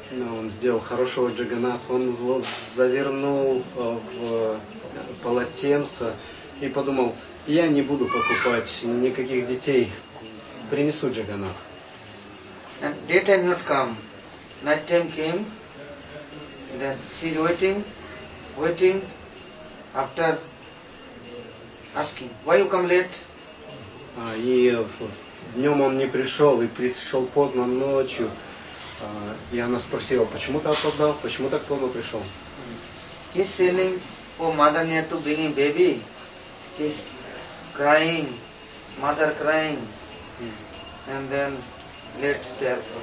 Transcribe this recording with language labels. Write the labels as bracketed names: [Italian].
[Russian] Он сделал хорошего Джаганнатху. Он завернул в полотенце и подумал, я не буду покупать никаких детей, принесу Джаганнатху. [English] And daytime not come. Night time came, then she is waiting, after asking, why you come late? [Russian] И днем он не пришел, и пришел поздно ночью. И она спросила, почему так опоздал, почему так поздно пришел? [English] He is telling, oh, mother near to bring a baby. He is crying, mother crying, and then late there.